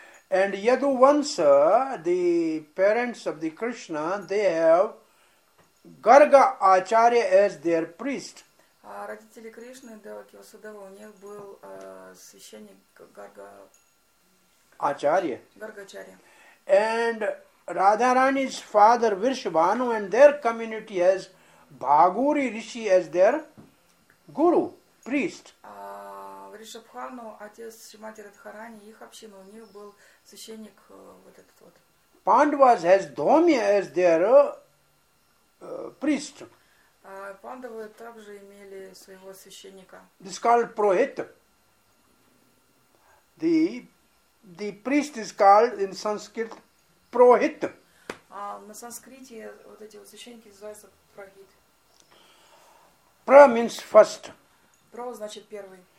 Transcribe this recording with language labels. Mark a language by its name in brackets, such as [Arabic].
[English] And Yadu Vansa, the parents of the Krishna, they have Garga Acharya as their priest. [Russian] А родители Кришны, Деваки Васудева, у них был священник Гарга. [English] Acharya. Gargacharya. And Radharani's father Vrishabhanu and their community has Bhaguri Rishi as their guru, priest. [Russian] Vrishabhanu, отец Шримати Радхарани, их община, у них был священник вот этот вот. [English] Pandavas has Dhomi as their priest. [Russian] Пандавы также имели своего священника. [English] This is called Prohit. The priest is called in Sanskrit Prohit. [Russian] На санскрите вот эти священники называются Прохит. [English] Pra means first. [Russian] Pro значит первый.